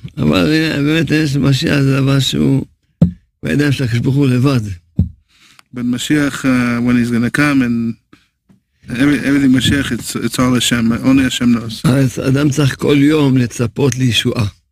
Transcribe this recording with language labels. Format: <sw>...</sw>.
<he>אבל באמת, יש משיח זה דבר שהוא בידיים של הקדוש ברוך הוא לבד.</he> <en>But משיח, when he's gonna come and everything משיח, it's all Hashem. Only Hashem knows.</en> <he>אז אדם צריך כל יום לצפות לישועה.</he>